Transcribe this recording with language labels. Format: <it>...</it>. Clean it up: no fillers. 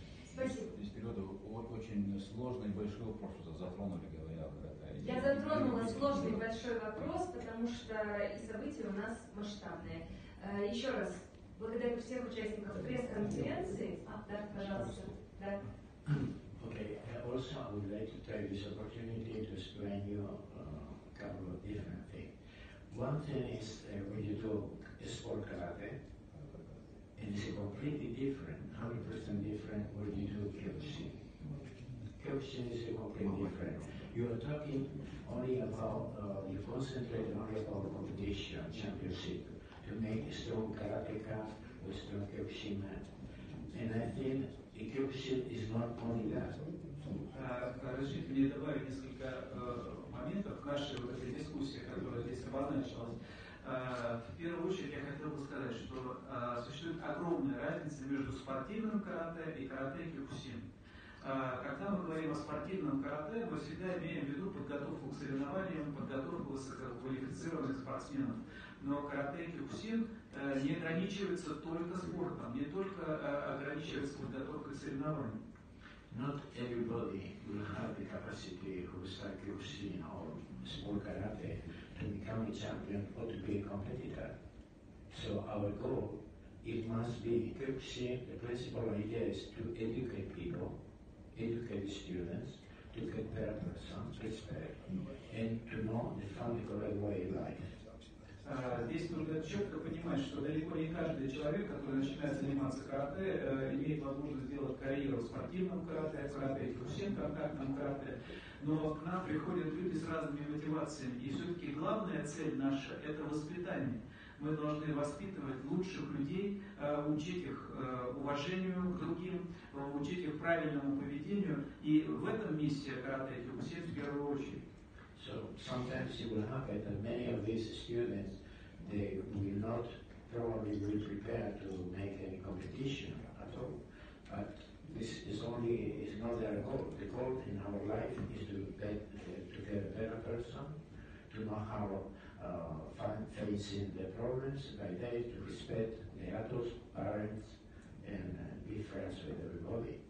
<ru>Спасибо. Здесь период очень сложный и большой вопрос, что затронули. Я затронула сложный большой вопрос, потому что и события у нас масштабные. Еще раз, благодарю всех участников пресс-конференции. А, да, пожалуйста. Да.</ru> <en>Okay. Also, I would like to take this opportunity to explain you a couple of different things. One thing is when you do a sport karate, and it's completely different, 100% different when you do Kyokushin. Kyokushin is completely different. You are talking only about, you concentrate only about competition, championship, to make a strong karateka with strong Kyokushin man. And I think the Kyokushin is not only that.</en> <ru>Разрешите мне добавить несколько моментов к нашей этой дискуссии, которая здесь обозначилась. В первую очередь я хотел бы сказать, что существует огромная разница между спортивным карате и карате кюкусин. Когда мы говорим о спортивном карате, мы всегда имеем в виду подготовку к соревнованиям, подготовку высококвалифицированных спортсменов. Но карате кюкусин не ограничивается только спортом, не только ограничивается подготовкой к соревнованиям.</ru> <en>Not everybody will have the capacity who start Kyokushin or small karate to become a champion or to be a competitor. So our goal, it must be Kyokushin, the principal idea is to educate people, educate students, to get better persons, respect, and to know the fundamental way of life.</en> <ru>Здесь нужно четко понимать, что далеко не каждый человек, который начинает заниматься карате, имеет возможность сделать карьеру в спортивном карате, в карате, в контактном карате. Но к нам приходят люди с разными мотивациями. И все-таки главная цель наша – это воспитание. Мы должны воспитывать лучших людей, учить их уважению к другим, учить их правильному поведению. И в этом месте карате кюкусин в первую очередь.</ru> <en>So sometimes it will happen that many of these students, they will not probably be prepared to make any competition at all. But this is only, is not their goal. The goal in our life is to get a better person, to know how facing the problems by day, to respect the adults, parents, and be friends with everybody.</en>